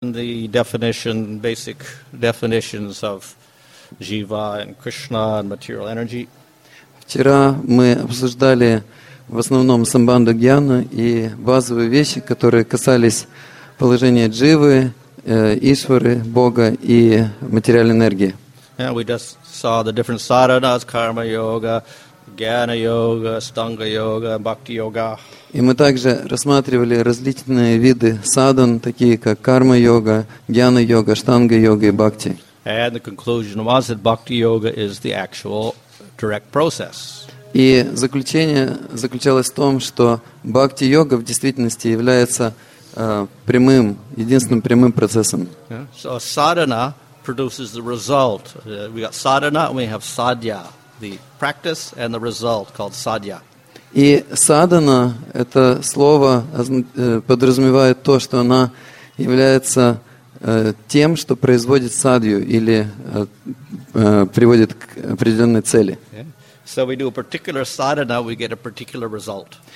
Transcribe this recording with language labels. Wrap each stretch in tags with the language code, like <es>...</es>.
<en>the definition, basic definitions of jiva and Krishna and material energy.</en> <ru>Вчера мы обсуждали в основном самбанду гьяну и базовые вещи, которые касались положения дживы, Ишвары, Бога и материальной энергии.</ru> <en>Yeah, we just saw the different sadhanas, karma yoga, gyana yoga, stanga yoga, bhakti yoga.</en> <ru>И мы также рассматривали различные виды садан, такие как карма йога, гьяна йога, штанга йога и бхакти.</ru> <en>And the conclusion was that bhakti yoga is the actual direct process.</en> <ru>И заключение заключалось в том, что бхакти йога в действительности является прямым, единственным прямым процессом.</ru> <en>So sadhana produces the result. We got sadhana and we have sadhya, the practice and the result called sadhya.</en> <ru>И садхана это слово подразумевает то, что она является тем, что производит садью или приводит к определенной цели.</ru> <en>So we do a particular sadhana, we get a particular result.</en>